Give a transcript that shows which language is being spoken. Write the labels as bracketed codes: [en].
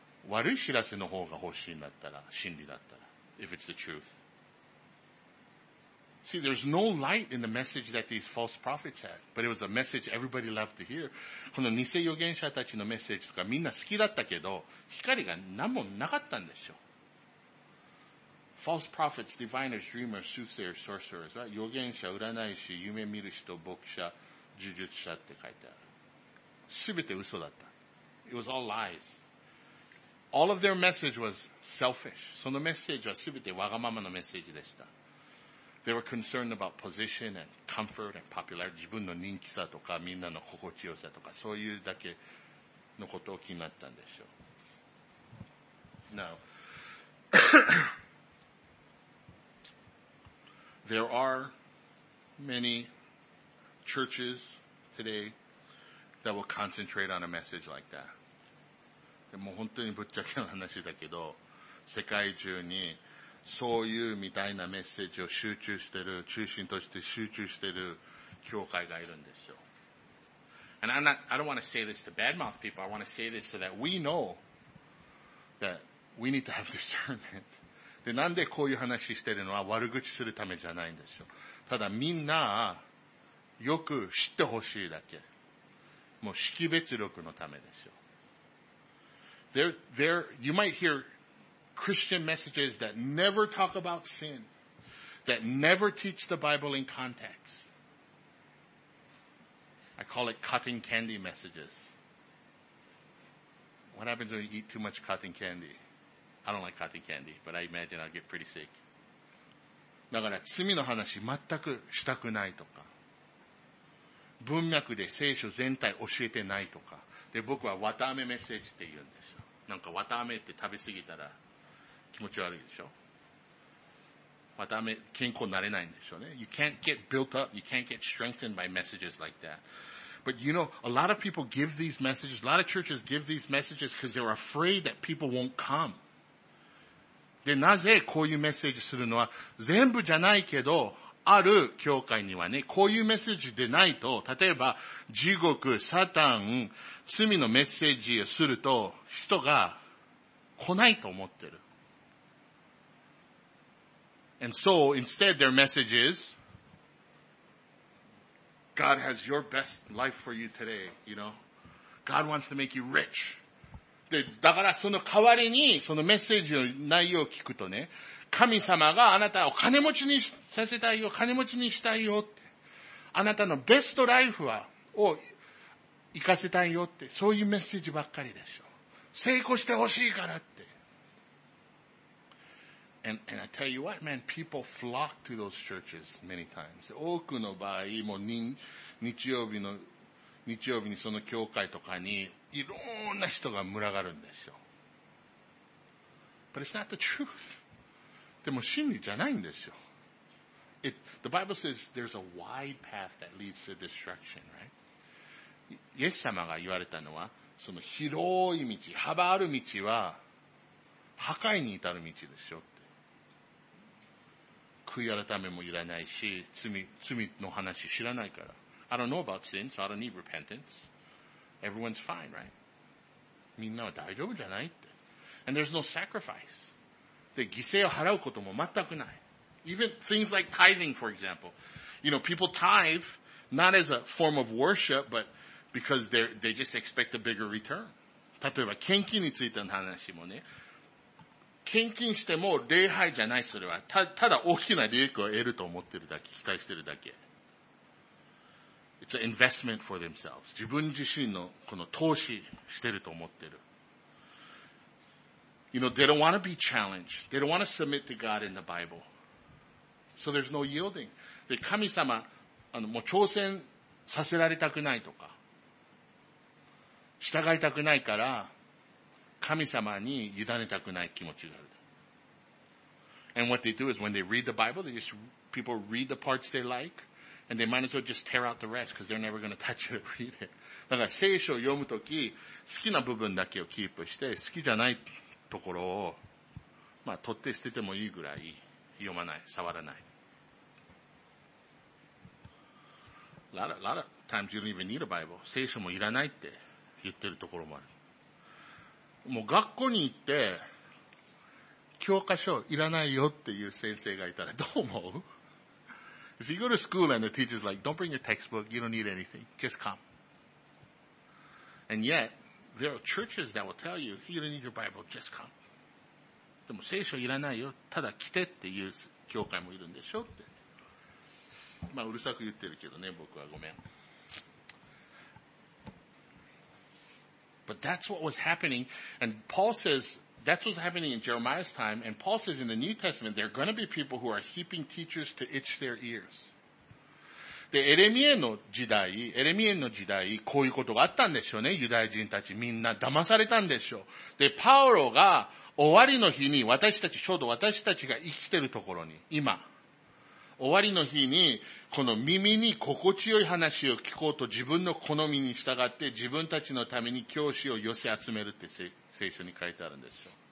[ja] 悪い知らせの方が欲しいんだったら、真理だったら。 [en] If it's the truth. See, there's no light in the message that these false prophets had, but it was a message everybody loved to hear. [ja] この偽預言者たちのメッセージとかみんな好きだったけど、光が何もなかったんでしょう。 [en] False prophets, diviners, dreamers, soothsayers, sorcerers, right? [ja] 預言者、占い師、夢見る人、牧者、呪術者って書いてある。すべて嘘だった。 [en] It was all lies. All of their message was selfish. [ja] そのメッセージはすべてわがままのメッセージでした。 [en] They were concerned about position and comfort and popularity. [ja] 自分の人気さとかみんなの心地よさとか、そういうだけのことを気になったんでしょう。 [en] Now, there are many churches today that will concentrate on a message like that. [ja] でも本当にぶっちゃけの話だけど、世界中にそういうみたいなメッセージを集中してる、中心として集中してる教会がいるんですよ。 [en] And I don't want to say this to badmouth people. I want to say this so that we know that we need to have discernment. [ja] で、なんでこういう話してるのは悪口するためじゃないんですよ。ただみんなよく知ってほしいだけ。もう識別力のためですよ。 [en] There, you might hearChristian messages that never talk about sin, that never teach the Bible in context. I call it cotton candy messages. What happens when you eat too much cotton candy? I don't like cotton candy, but I imagine I'll get pretty sick. [ja] だから罪の話全くしたくないとか、文脈で聖書全体教えてないとか、で僕はわたあめメッセージって言うんですよ。なんかわたあめって食べ過ぎたら気持ち悪いでしょ。また健康になれないんでしょうね。 [en] You can't get built up, you can't get strengthened by messages like that. But you know, a lot of people give these messages, a lot of churches give these messages because they're afraid that people won't come. [ja] で、なぜこういうメッセージするのは、全部じゃないけど、ある教会にはね、こういうメッセージでないと、例えば、地獄、サタン、罪のメッセージをすると、人が来ないと思ってる。 [en] And so, instead, their message is, God has your best life for you today, you know. God wants to make you rich. [ja] で、だからその代わりに、そのメッセージの内容を聞くとね、神様があなたを金持ちにさせたいよ、金持ちにしたいよって。あなたのベストライフは、を生かせたいよって、そういうメッセージばっかりでしょ。成功してほしいからって。 [en] And I tell you what, man, people flock to those churches many times. [ja] 多くの場合、もう日曜日にその教会とかにいろんな人が群がるんですよ。 [en] But it's not the truth. [ja] でも真理じゃないんですよ。 [en] The Bible says there's a wide path that leads to destruction, right? [ja] イエス様が言われたのは、その広い道、幅ある道は破壊に至る道でしょって。悔い改めもいらないし、罪の話知らないから。 [en] I don't know about sin, so I don't need repentance. Everyone's fine, right? [ja] みんなは大丈夫じゃないって。 [en] And there's no sacrifice. [ja] で、犠牲を払うことも全くない。 [en] Even things like tithing, for example. You know, people tithe, not as a form of worship, but because they just expect a bigger return. [ja] 例えば、献金についての話もね。献金しても礼拝じゃない、それは。ただ大きな利益を得ると思ってるだけ、期待してるだけ。 [en] It's an investment for themselves. [ja] 自分自身のこの投資してると思ってる。 [en] You know, they don't want to be challenged. They don't want to submit to God in the Bible. So there's no yielding. [ja] で、神様、もう挑戦させられたくないとか、従いたくないから、神様に委ねたくない気持ちがある。 [en] And what they do is when they read the Bible, they just, people read the parts they like, and they might as well just tear out the rest, because they're never going to touch it or read it. [ja] だから聖書を読むとき、好きな部分だけをキープして、好きじゃないところを、まあ、取って捨ててもいいぐらい読まない、触らない。 [en] A lot of times you don't even need a Bible. [ja] 聖書もいらないって言ってるところもある。もう学校に行って、教科書いらないよっていう先生がいたらどう思う [en] ?If you go to school and the teacher's like, don't bring your textbook, you don't need anything, just come. And yet,There are churches that will tell you, you don't need your Bible, just come. [ja] でも聖書いらないよ、ただ来てっていう教会もいるんでしょって。まあうるさく言ってるけどね、僕はごめん。 [en] But that's what was happening, and Paul says, that's what's happening in Jeremiah's time, and Paul says in the New Testament, there are going to be people who are heaping teachers to itch their ears. [ja] で、エレミエの時代、こういうことがあったんでしょうね。ユダヤ人たちみんな騙されたんでしょう。で、パウロが終わりの日に私たち、ちょうど私たちが生きてるところに、今、終わりの日に、この耳に心地よい話を聞こうと自分の好みに従って自分たちのために教師を寄せ集めるって聖書に書いてあるんですよ。